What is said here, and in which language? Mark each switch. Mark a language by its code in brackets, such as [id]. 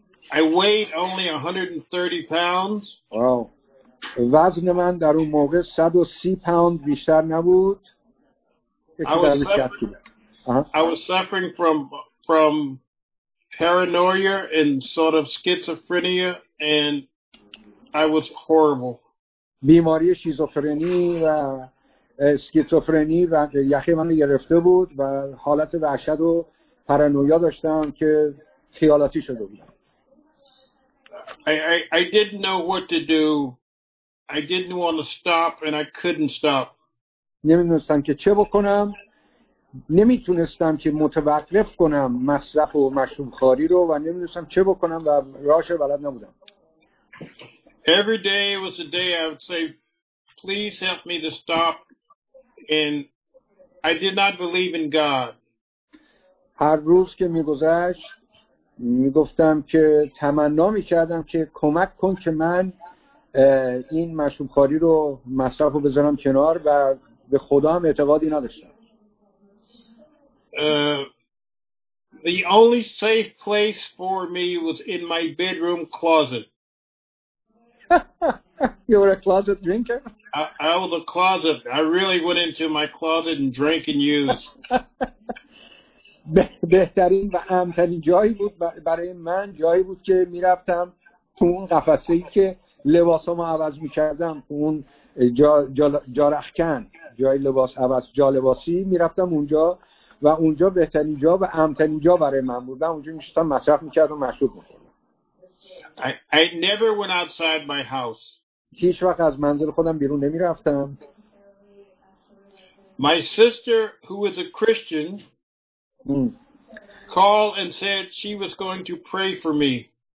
[en] I weighed only 130 pounds. Wow. [fa] وزن من در اون موقع 130 پوند بیشتر نبود. [en] I was suffering from paranoia and sort of schizophrenia and I was horrible. [fa] بیماری شیزوفرنی و اسکیزوفرنی و یخی من رو گرفته بود و حالت وحشت و پارانویا داشتم که خیالاتی شده بودم. [en] I didn't know what to do. I didn't want to stop and I couldn't stop. [fa] نمیدونستم که چه بکنم. نمیتونستم که متوقف کنم مصرف و مشروب خاری رو و نمیدونستم چه بکنم و راهش بلد نبودم. [en] Every day was a day I would say, please help me to stop. And I did not believe in God. [fa] هر روز که میگذشت میگفتم که تمنا میکردم که کمک کن که من این مشروب خواری رو مصرف رو بذارم کنار و به خدا هم اعتقادی نداشتم. [en] The only safe place for me was in my bedroom closet. You were a closet drinker? I was a closet. I really went into my closet and drank and used. [fa] بهترین و امن‌ترین جایی بود برای من، جایی بود که می‌رفتم تو اون قفسه‌ای که لباسامو عوض می‌کردم، تو اون جارخکن، جای لباس عوض، جا لباسی، می‌رفتم اونجا و اونجا بهترین جا و امن‌ترین جا برای من بود. من اونجا می‌شستم مصرف می‌کردم، مشروب می‌خوردم. [en] I never went outside my house. [fa] هیچ وقت از منزل خودم بیرون نمی رفتم. [en] My sister, who is a Christian, called and said she was going to pray for me.